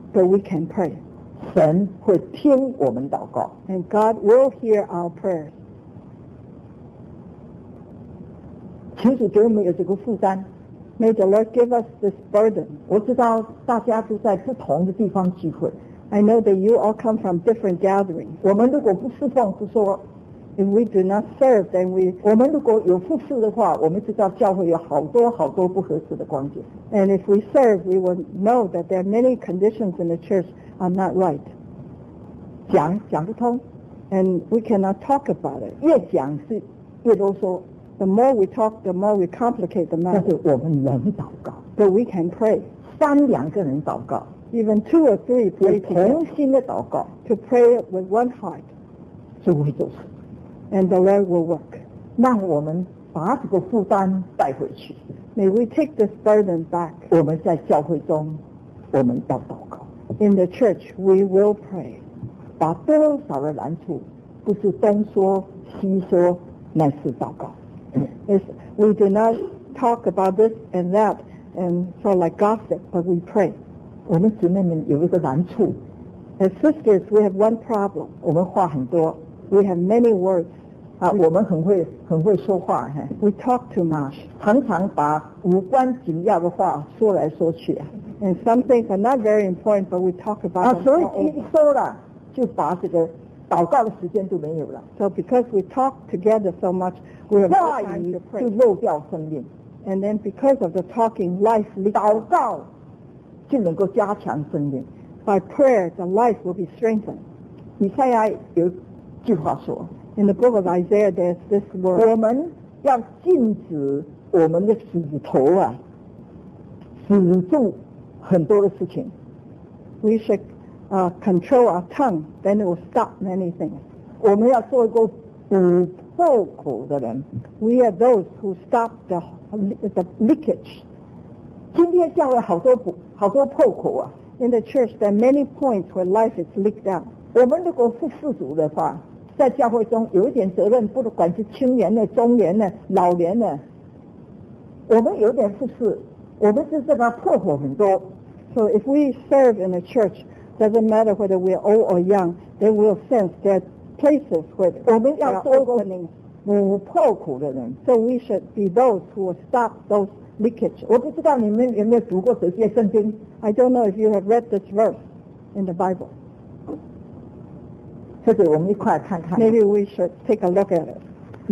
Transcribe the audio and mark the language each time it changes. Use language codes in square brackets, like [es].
[en] but we can pray. [zh] 神会听我们祷告， [en] and God will hear our prayers. [zh] 请主给我们有这个负担。 [en] May the Lord give us this burden. [zh] 我知道大家都在不同的地方聚会。 [en] I know that you all come from different gatherings. [zh] 我们如果不侍奉，是说 [en] if we do not serve, then we [zh] 我们如果有服侍的话，我们知道教会有好多好多不合适的光景。 [en] And if we serve, we will know that there are many conditions in the church are not right. [zh] 讲讲不通， [en] and we cannot talk about it. [zh] 越讲是越啰嗦。 [en] The more we talk, the more we complicate the matter. [zh] 但是我们能祷告。 [en] But we can pray. [zh] 三两个人祷告。 [en] Even two or three pray together to pray with one heart, [zh] 主会做事, [en] and the Lord will work. [zh] 让我们把这个负担带回去, [en] may we take this burden back. [zh] 我们在教会中, 我们要祷告, [en] in the church we will pray. [zh] 把多少的难处, 不是东说西说, 乃是祷告, [en] it's, we do not talk about this and that and sort of like gossip, but we pray. [zh] 我们姊妹们有一个难处。 [en] As sisters, we have one problem. [zh] 我们话很多。 [en] We have many words. [zh] 啊，我们很会说话哈。 [en] We talk too much. [zh] 常常把无关紧要的话说来说去。 [en] And some things are not very important, but we talk about them. [zh] 啊，所以一说了，就把这个祷告的时间就没有了。 [en] So because we talk together so much, we have no time to pray. [zh] 就漏掉生命。 [en] And then because of the talking, life leaks. [zh] 祷告。就能够加强生命。 [en] By prayer, the life will be strengthened. [zh] 以赛亚有句话说 [en] ，In the book of Isaiah, there's this word. [zh] 我们要禁止我们的指头啊，止住很多的事情。 [en] We should control our tongue, then it will stop many things. [zh] 我们要做一个堵破口的人。 [en] We are those who stop the leakage. [zh] 今天教会好多破好多破口啊 [en] ！In the church, there are many points where life is leaked out. [zh] 我们如果服侍主的话，在教会中有一点责任，不管是青年的、中年的、老年的，我们有点服侍，我们是这个破口很多。 [en] So if we serve in the church, doesn't matter whether we're old or young, they will sense that places where we [zh] 我们要多个补破口的人。 [en] So we should be those who will stop those. Leakage. [zh] 我不知道你们有没有读过这些圣经。 [en] I don't know if you have read this verse in the Bible. [zh] 或者我们一块看看。 [en] Maybe we should take a look at it.